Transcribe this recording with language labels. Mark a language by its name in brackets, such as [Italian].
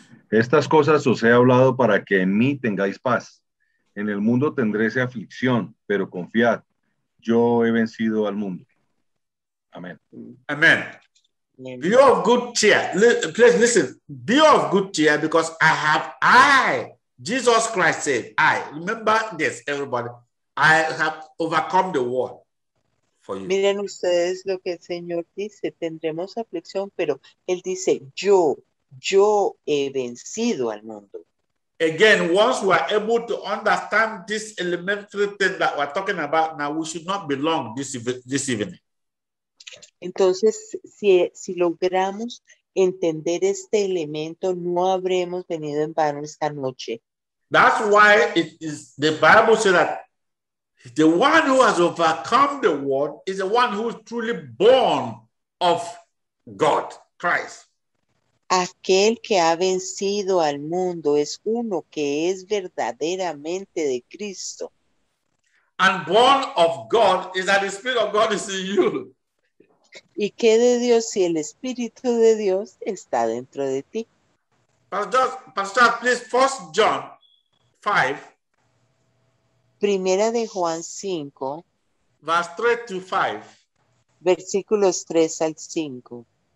[Spanish] Estas cosas os he hablado para que en mí tengáis paz. En el mundo tendréis aflicción, pero confiad, yo he vencido al mundo. Amén. Amén. [English] Be of good cheer. Please listen. Be of good cheer because I, Jesus Christ said, I. Remember this, everybody. I have overcome the world for you. [Spanish] Miren ustedes lo que el Señor dice. Tendremos aflicción, pero Él dice, yo he vencido al mundo. [English] Again, once we are able to understand this elementary thing that we're talking about now, we should not be long this evening. [Spanish] Entonces, si logramos entender este elemento, no habremos venido en vano esta noche. [English] That's why it is the Bible says that the one who has overcome the world is the one who is truly born of God, Christ. [Spanish] Aquel que ha vencido al mundo es uno que es verdaderamente de Cristo. [English] And born of God is that the Spirit of God is in you. [Spanish] ¿Y qué de Dios si el Espíritu de Dios está dentro de ti? [English] Pastor, please, 1 John 5. [Spanish] Primera de Juan 5. [English] Verse 3 to 5. [Spanish] Versículos 3 al 5.